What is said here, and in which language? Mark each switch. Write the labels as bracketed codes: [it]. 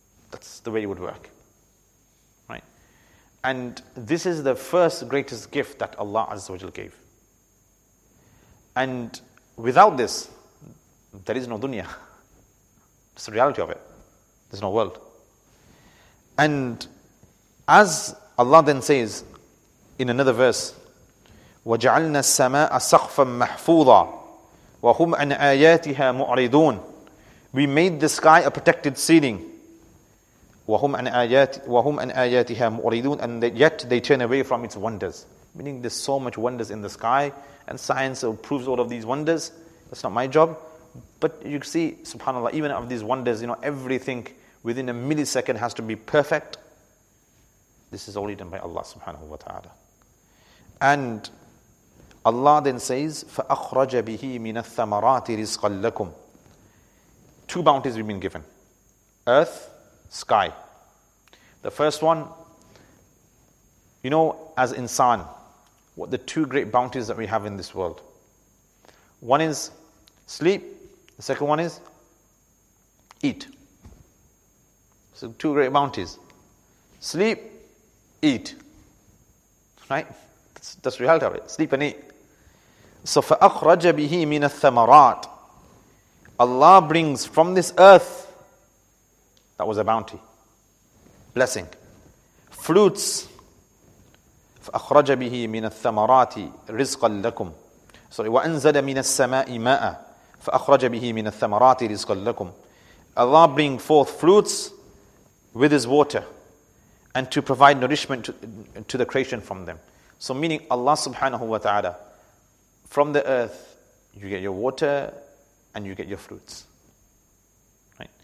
[en] That's the way it would work. Right? And this is the first greatest gift that Allah Azza wa Jal gave. And without this, there is no dunya. It's the reality of it. There's no world. And as Allah then says in another verse, [ar] وجعلنا السماء سقفا محفوظا وهم عن آياتها معرضون. [en] We made the sky a protected ceiling. [ar] وهم عن آياتها معرضون. [en] And yet they turn away from its wonders. Meaning there's so much wonders in the sky and science proves all of these wonders. That's not my job. But you see, subhanAllah, even of these wonders, you know, everything within a millisecond has to be perfect. This is only done by Allah subhanahu wa ta'ala. And Allah then says, [ar] فَأَخْرَجَ بِهِ مِنَ الثَّمَرَاتِ رِزْقًا لَكُمْ. [en] Two bounties we've been given. Earth, sky. The first one, you know, as insan, what the two great bounties that we have in this world. One is sleep. The second one is eat. So two great bounties. Sleep, eat. Right? That's the reality of it. Sleep and eat. [ar] So فَأَخْرَجَ بِهِ مِنَ الثَّمَرَاتِ. [en] Allah brings from this earth, that was a bounty, blessing, fruits. [ar] فَأَخْرَجَ بِهِ مِنَ الثَّمَرَاتِ رِزْقًا لَكُمْ. Sorry, وَأَنْزَلَ مِنَ السَّمَاءِ مَاءً فَأَخْرَجَ بِهِ مِنَ الثَّمَرَاتِ رِزْقًا لَكُمْ. [en] Allah bring forth fruits with His water and to provide nourishment to the creation from them. So meaning Allah subhanahu wa ta'ala, from the earth, you get your water and you get your fruits. Right?